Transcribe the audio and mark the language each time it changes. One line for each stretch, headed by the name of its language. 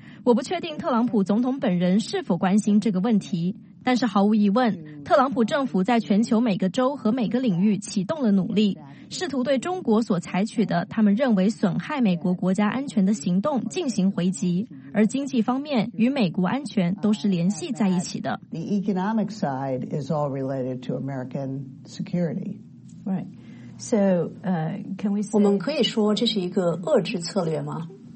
Chinese: 我不确定特朗普总统本人是否关心这个问题，但是毫无疑问，特朗普政府在全球每个州和每个领域启动了努力，试图对中国所采取的他们认为损害美国国家安全的行动进行回击，而经济方面与美国安全都是联系在一起的。
English: The economic side is all related to American security. Right. So, can we say
Chinese: 我们可以说这是一个遏制策略吗？